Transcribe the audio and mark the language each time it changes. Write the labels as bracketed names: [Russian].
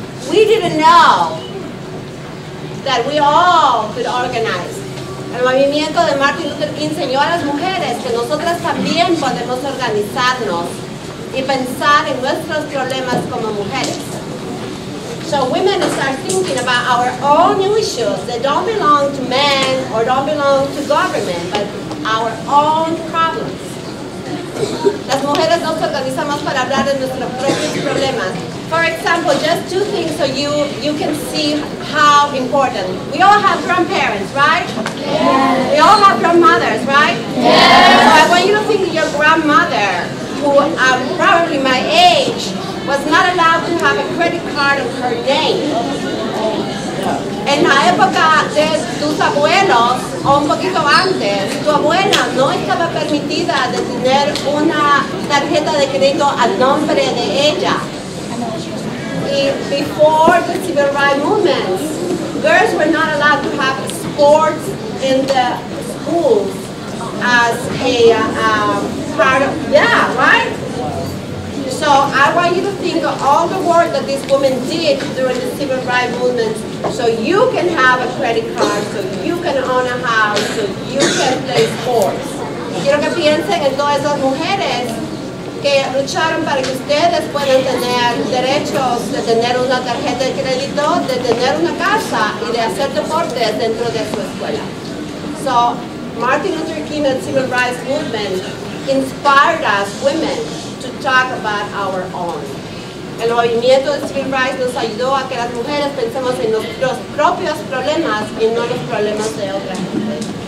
[English] We didn't know that we all could organize. [Spanish] El movimiento de Martin Luther King enseñó a las mujeres que nosotras también podemos organizarnos y pensar en nuestros problemas como mujeres. [English] So women start thinking about our own issues that don't belong to men or don't belong to government, but our own problems. [Spanish] Las mujeres nos organizamos para hablar de nuestros propios problemas. [English] For example, just two things so you can see how important. We all have grandparents, right? Yes. We all have grandmothers, right? Yes. So I want you to think of your grandmother, who probably my age, was not allowed to have a credit card of her name. [Spanish] En la época de tus abuelos, o un poquito antes, tu abuela no estaba permitida de tener una tarjeta de crédito a nombre de ella. [English] Y before the civil rights movement, girls were not allowed to have sports in the schools as a part of, yeah, right? So I want you to think of all the work that these women did during the civil rights movement so you can have a credit card, so you can own a house, so you can play sports. [Spanish] Quiero que piensen en todas esas mujeres que lucharon para que ustedes puedan tener derechos de tener una tarjeta de crédito, de tener una casa y de hacer deportes dentro de su escuela. [English] So Martin Luther King and civil rights movement inspired us women talk about our own. [Spanish] El movimiento de [English] civil rights [Spanish] nos ayudó a que las mujeres pensemos en nuestros propios problemas y no los problemas de otra gente.